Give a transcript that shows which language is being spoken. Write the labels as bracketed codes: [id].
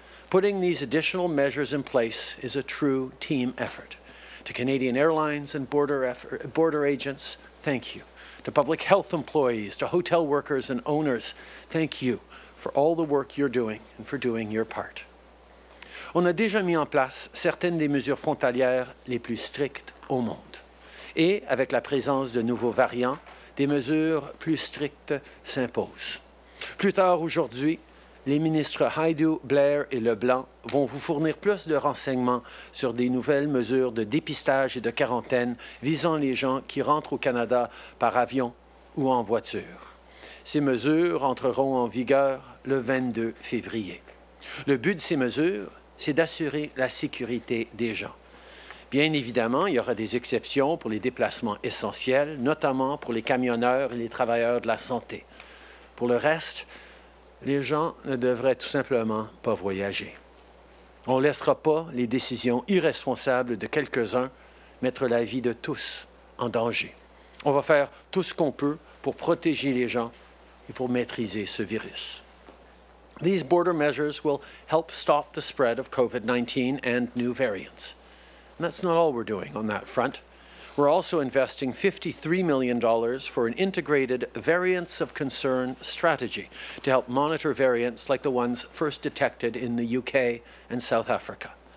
[en] Putting these additional measures in place is a true team effort. To Canadian Airlines and border agents, thank you. To public health employees, to hotel workers and owners, thank you for all the work you're doing and for doing your part. [fr] On a déjà mis en place certaines des mesures frontalières les plus strictes au monde. Et avec la présence de nouveaux variants, des mesures plus strictes s'imposent. Plus tard aujourd'hui, les ministres Haidu, Blair et LeBlanc vont vous fournir plus de renseignements sur des nouvelles mesures de dépistage et de quarantaine visant les gens qui rentrent au Canada par avion ou en voiture. Ces mesures entreront en vigueur le 22 février. Le but de ces mesures, c'est d'assurer la sécurité des gens. Bien évidemment, il y aura des exceptions pour les déplacements essentiels, notamment pour les camionneurs et les travailleurs de la santé. Pour le reste, les gens ne devraient tout simplement pas voyager. On ne laissera pas les décisions irresponsables de quelques-uns mettre la vie de tous en danger. On va faire tout ce qu'on peut pour protéger les gens et pour maîtriser ce virus. [en] These border measures will help stop the spread of COVID-19 and new variants. And that's not all we're doing on that front. We're also investing $53 million for an integrated variants of concern strategy to help monitor variants like the ones first detected in the UK and South Africa.